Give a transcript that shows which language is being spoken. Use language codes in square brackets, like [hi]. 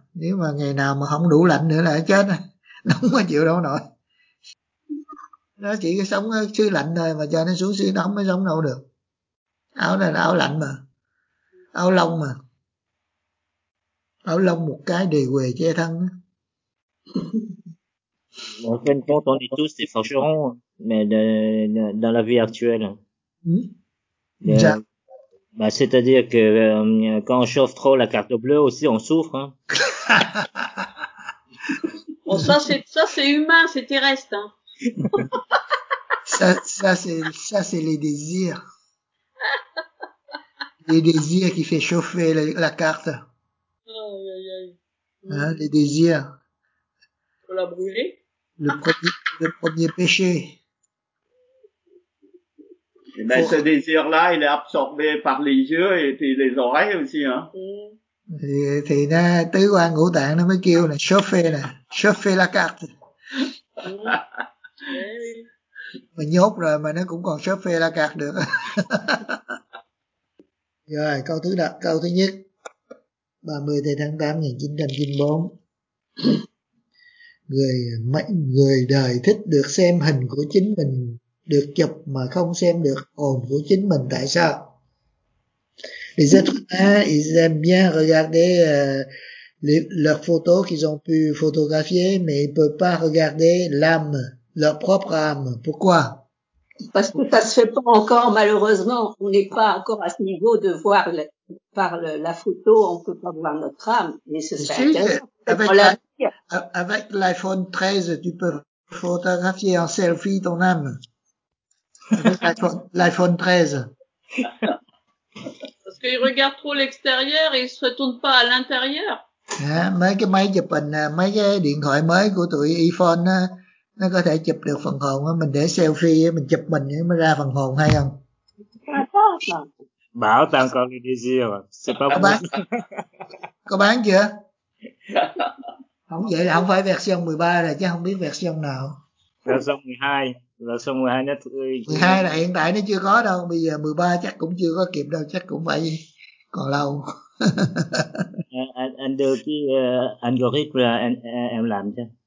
[vi] Nếu mà ngày nào mà không đủ lạnh nữa là chết á. Nó không có chịu đâu nổi. Nó chỉ có sống xứ lạnh thôi mà cho nó xuống xứ nóng mới sống đâu được. Áo này là áo lạnh mà. Áo lông mà. Áo lông một cái đề quề che thân á. [fr] Bon, en fin de compte, on est tous des forgerons. Mais dans la vie actuelle. Bah, c'est-à-dire que quand on chauffe trop la carte bleue aussi, on souffre. Hein. Bon, ça c'est humain, c'est terrestre. Hein. ça c'est les désirs. Les désirs qui fait chauffer la carte. Oh, hein, les désirs. Pour la brûler. Le premier péché. Et ben, ce désir-là, il est absorbé par les yeux et puis les oreilles aussi, hein. [vi] Thì nó tứ quan ngũ tạng nó mới kêu là chauffer nè, [fr] chauffer la carte. [vi] Mà nhốt rồi mà nó cũng còn [fr] chauffer la carte [vi] được. Rồi, câu thứ nhất. 30 tháng 8 1994. Người đời thích được xem hình của chính mình được chụp mà không xem được hồn của chính mình, tại sao? [fr] Les êtres humains, ils aiment bien regarder leurs photos qu'ils ont pu photographier, mais ils ne peuvent pas regarder l'âme, leur propre âme. Pourquoi? Parce que ça ne se fait pas encore, malheureusement. On n'est pas encore à ce niveau de voir la photo, on ne peut pas voir notre âme. Mais ce serait intéressant. Avec l'iPhone 13, tu peux photographier en selfie ton âme. L'iPhone 13. Parce qu'ils regardent trop l'extérieur et ils se retournent pas à l'intérieur. [vi] Mấy cái máy chụp hình, mấy cái điện thoại mới của tụi iPhone nó có thể chụp được phần hồn, mình để selfie mình chụp mình mới ra phần hồn hay không? Bảo tàng còn cái désir, [fr] c'est pas [vi] bon. Có bán chưa? Không, vậy là không phải version 13 rồi, chứ không biết version nào. Version 12. Version 12 nó thôi. 12 là hiện tại nó chưa có đâu, bây giờ 13 chắc cũng chưa có kịp đâu, chắc cũng phải còn lâu. Anh đưa cái algorithm là em làm cho.